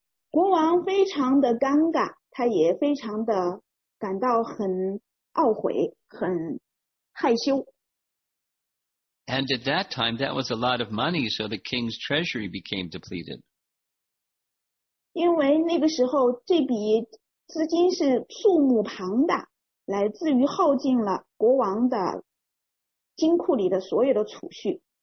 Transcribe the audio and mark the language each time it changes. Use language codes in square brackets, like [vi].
[zh] 国王非常的尴尬，他也非常的感到很懊悔，很害羞。 [en] And at that time, that was a lot of money, so the king's treasury became depleted. [zh] 因为那个时候，这笔资金是数目庞大，来自于耗尽了国王的金库里的所有的储蓄。